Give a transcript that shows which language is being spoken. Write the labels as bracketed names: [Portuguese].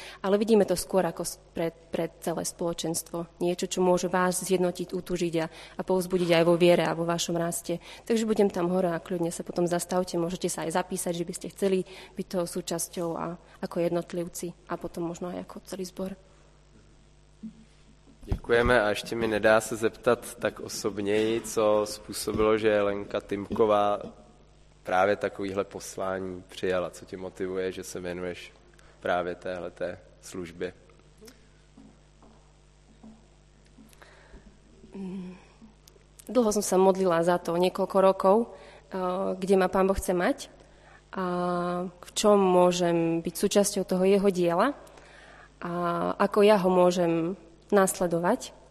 [Slovak] Ale vidíme to skôr ako pre celé spoločenstvo. Niečo, čo môže vás zjednotiť, utúžiť a povzbudiť aj vo viere a vo vašom raste. Takže budem tam hore a kľudne sa potom zastavte. Môžete sa aj zapísať, že by ste chceli byť toho súčasťou a ako jednotlivci a potom možno aj ako celý zbor. [Czech] Děkujeme a ještě mi nedá se zeptat tak osobněji, co způsobilo, že Lenka Tymková právě takovýhle poslání přijala. Co tě motivuje, že se věnuješ právě téhleté službě? [Slovak] Dlho [Czech] jsem se modlila [Slovak] za to, několiko rokov, kde má Pán Boh chce mať a v čom môžem byť súčasťou toho jeho diela a ako ja ho môžem nasledovať.